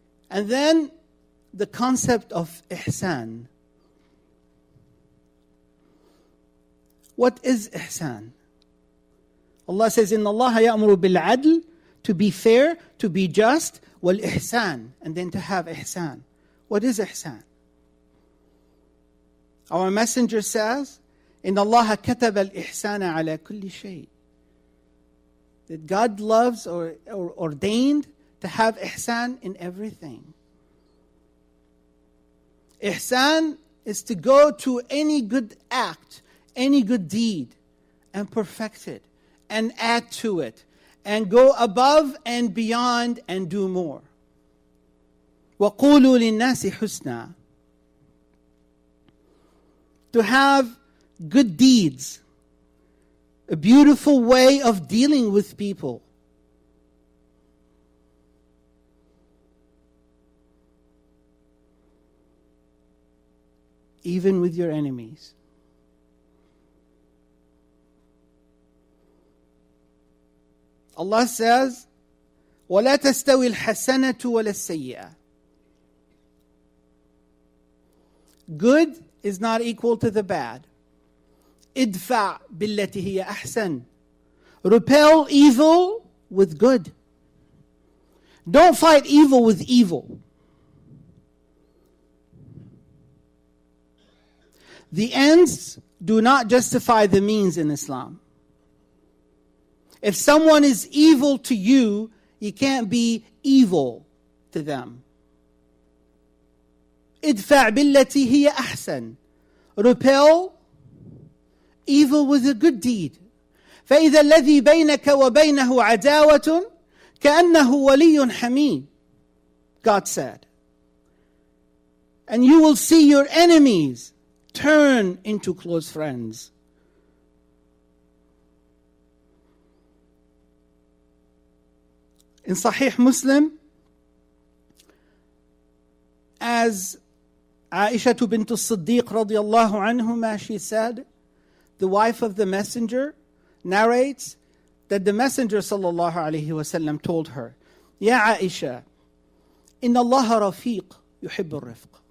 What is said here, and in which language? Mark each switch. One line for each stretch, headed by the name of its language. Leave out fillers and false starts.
English: And then the concept of ihsan. What is ihsan? Allah says,
Arabic: إِنَّ اللَّهَ يَأْمُرُ بِالْعَدْلِ,
English: to be fair, to be just,
Arabic: وَالْإِحْسَانِ,
English: and then to have ihsan. What is ihsan?
Arabic: Our messenger says, إِنَّ اللَّهَ كَتَبَ الْإِحْسَانَ عَلَىٰ كُلِّ شَيْءٍ.
English: That God loves or ordained to have ihsan in everything. Ihsan is to go to any good act, any good deed, and perfect it, and add to it, and go above and beyond and do more.
Arabic: وَقُولُوا لِلنَّاسِ حُسْنًا.
English: To have good deeds, a beautiful way of dealing with people. Even with your enemies. Allah says,
Arabic: وَلَا تَسْتَوِي الْحَسَنَةُ وَلَا السَّيِّئَةُ.
English: Good is not equal to the bad.
Arabic: اِدْفَعْ بِالَّتِي هِيَ أَحْسَنْ.
English: Repel evil with good. Don't fight evil with evil. The ends do not justify the means in Islam. If someone is evil to you, you can't be evil to them.
Arabic: ادفع بالتي هي أحسن.
English: Repel evil with a good deed.
Arabic: فإذا الذي بينك وبينه عداوة كأنه ولي حميم.
English: God said. And you will see your enemies turn into close friends. In Sahih Muslim, as Aisha bint Siddiq radiallahu anhuma, she said, the wife of the messenger narrates that the messenger sallallahu alayhi wa sallam told her,
Arabic: Ya Aisha, inna Allah rafiq yuhibbu rifq.